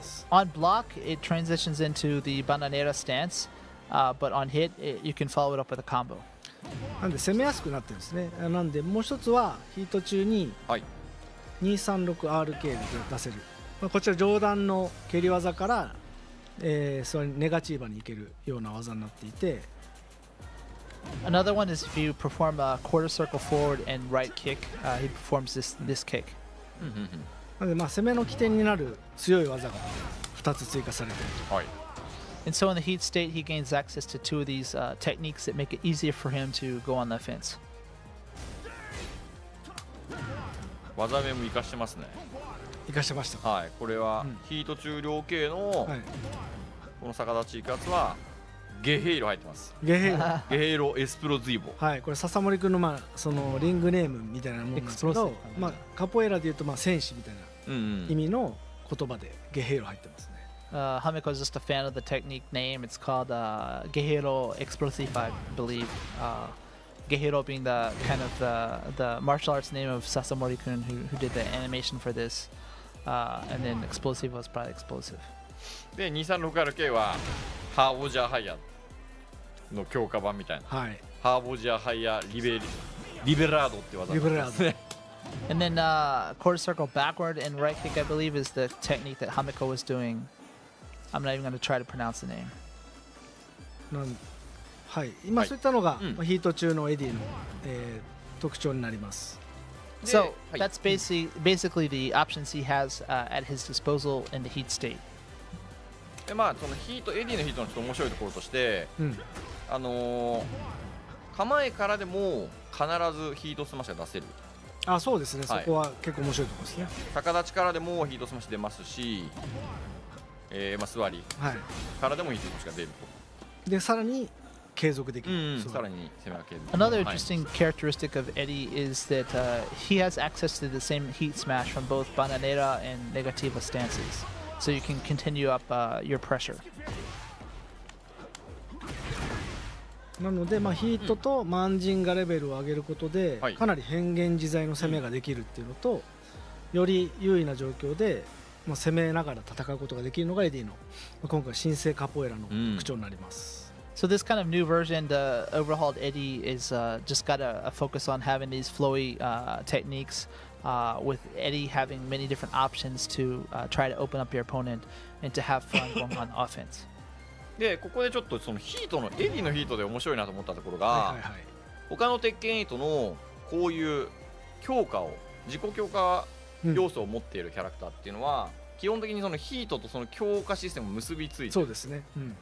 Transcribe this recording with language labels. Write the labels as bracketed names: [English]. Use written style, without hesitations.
[English] on block, it transitions into the bananera stance, but on hit, you can follow it up with a combo. [Japanese] なんで攻めやすくなってるんですね。なんでもう一つはヒート中に 236RK で出せる。まあ、こちら上段の蹴り技から、それネガチーバに行けるような技になっていて。 [English] Another one is if you perform a quarter circle forward and right kick, he performs this kick. [Japanese] なんでまあ攻めの起点になる強い技が2つ追加されていると。はい。 [English] And so in the heat state, he gains access to two of these techniques that make it easier for him to go on the offense. [Japanese] 技名も活かしてますね。活かしてました。はい。これはヒート中量系のこの逆立ち一発は。ゲヘイロ入ってます。ゲヘイロ、ゲヘイロエスプロズイボ。はい、これ笹森くんのまあそのリングネームみたいなものですけど、まあカポエラで言うとまあ戦士みたいな意味の言葉でゲヘイロ入ってますね。 [English] ハメコ is just a fan of the technique name. It's called ゲヘイロエスプロズイボ I believe. ゲヘイロ being the kind of the martial arts name of Sasamori くん who did the animation for this. And then explosive was probably explosive. [Japanese] で 236RK は。ハーボジャーハイヤの強化版みたいな、はい、ハーボジャーハイヤリベラードって技なんですね。リベラード [English] And then quarter circle backward and right kick, I believe, is the technique that Hamiko was doing. I'm not even going to try to pronounce the name. [Japanese] はい、今そういったのが、はい、ヒート中のエディの、特徴になります。 [English] So、 [Japanese] はい、 [English] that's basically the options he has、at his disposal in the heat state. [Japanese] で、まあそのヒートエディのヒートのちょっと面白いところとして、うん、構えからでも必ずヒートスマッシュが出せる。あ、そうですね、はい。そこは結構面白いところですね。逆立ちからでもヒートスマッシュ出ますし、まあ座りからでもヒートスマッシュが出ると。はい、でさらに。継続できる、うん、さらに攻めが継続。 [English] Another interesting characteristic of Eddie is that、he has access to the same heat smash from both Bananera and Negativa stances, so you can continue up、your pressure. [Japanese] なので、まあ、ヒートとマンジンガレベルを上げることで、うん、かなり変幻自在の攻めができるっていうのと、より優位な状況で、まあ、攻めながら戦うことができるのがエディの、まあ、今回新生カポエラの特徴になります、うん。 [English] So this kind of new version, the overhauled Eddie, is、just got a focus on having these flowy、techniques、with Eddie having many different options to、try to open up your opponent and to have fun going on offense. [Japanese] で、ここでちょっとそのヒートの、エディのヒートで面白いなと思ったところが、はいはいはい、他の鉄拳8のこういう強化を、自己強化要素を持っているキャラクターっていうのは、うん、基本的にそのヒートとその強化システムを結びついて、そうですね、うん、